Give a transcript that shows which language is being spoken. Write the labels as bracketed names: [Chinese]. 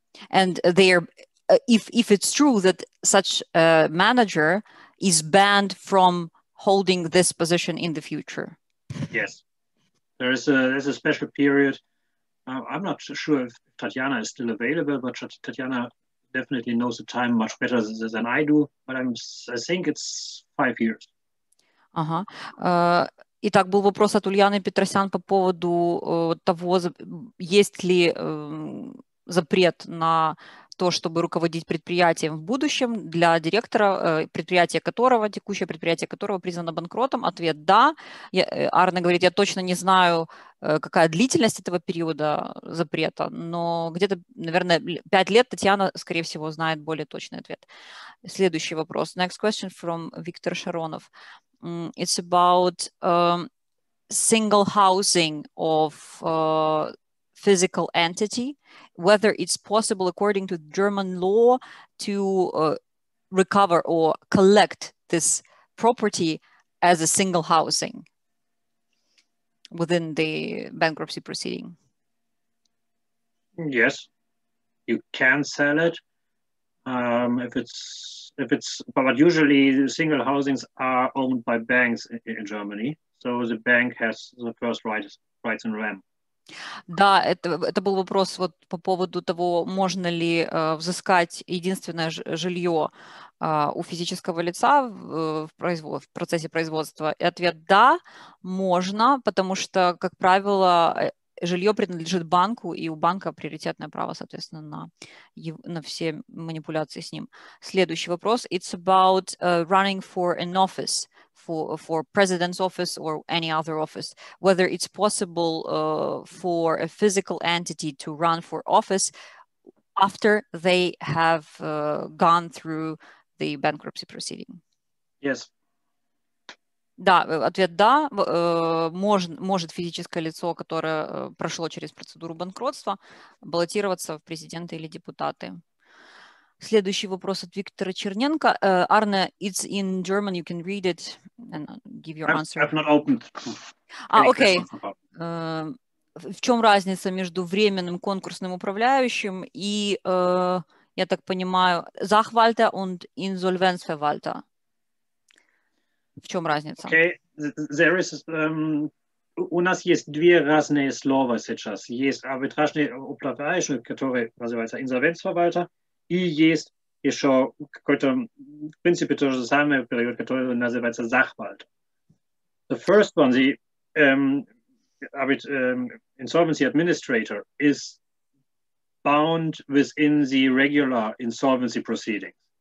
[English] And there, if it's true that such a manager is banned from holding this position in the future. Yes, there's a special period. I'm not sure if Tatiana is still available, but Tatiana definitely knows the time much better than I do, but I think it's 5 years. [Russian] Ага. Итак, был вопрос от Ульяны Петросян по поводу того, есть ли запрет на то, чтобы руководить предприятием в будущем для директора, предприятия которого, текущее предприятие которого признано банкротом. Ответ – да. Арна говорит, я точно не знаю, какая длительность этого периода запрета, но где-то, наверное, 5 лет. Татьяна, скорее всего, знает более точный ответ. Следующий вопрос. [English] Next question from Виктор Шаронов. It's about single housing of physical entity, whether it's possible according to German law to recover or collect this property as a single housing. within the bankruptcy proceeding. Yes, you can sell it if it's, but usually the single housings are owned by banks in Germany, so the bank has the first rights in REM. [Russian] Да, это был вопрос вот по поводу того, можно ли взыскать единственное жилье у физического лица в процессе производства. И ответ – да, можно, потому что, как правило, жилье принадлежит банку, и у банка приоритетное право, соответственно, на все манипуляции с ним. Следующий вопрос – [English] it's about running for an office. For president's office or any other office, whether it's possible for a physical entity to run for office after they have gone through the bankruptcy proceeding. Yes. [Russian] Да, ответ да. Может физическое лицо, которое прошло через процедуру банкротства, баллотироваться в президенты или депутаты. Следующий вопрос от Виктора Черненко. [English] Арне, it's in German, you can read it and give your answer. I've not opened. [Russian] Okay. В чем разница между временным конкурсным управляющим и, я так понимаю, [German] Sachwalter und Insolvenzverwalter? [Russian] В чем разница? [English] Okay, there is, [Russian] у нас есть две разные слова сейчас. Есть арбитражный управляющий, который называется Insolvenzverwalter. И есть еще какой-то, в принципе, то же самое период, который называется Sachwalt. [English] The first one, the insolvency administrator, is bound within the regular insolvency proceedings.